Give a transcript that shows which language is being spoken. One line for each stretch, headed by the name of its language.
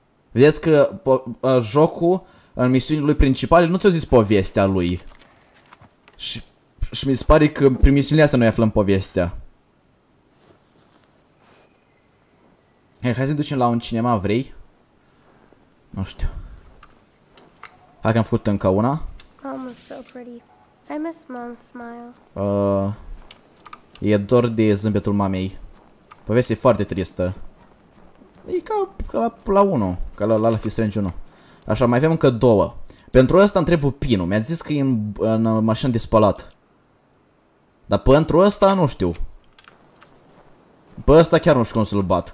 Romanian: Vedeți că jocul în misiunile lui principale nu ți-a zis povestea lui. Și mi se pare că prin misiunile astea noi aflăm povestea. Hai să ne ducem la un cinema, vrei? Nu știu. Hai că am făcut încă una.
English: Mom is so pretty. I miss mom's smile.
Romanian: E dor de zâmbetul mamei. Povestea e foarte tristă. E ca la 1, ca la Life is Strange 1. Așa, mai avem încă două. Pentru ăsta îmi trebuie pinul. Mi-a zis că e în mașină de spălat. Dar pentru ăsta nu știu. Pe ăsta chiar nu știu cum să-l bat.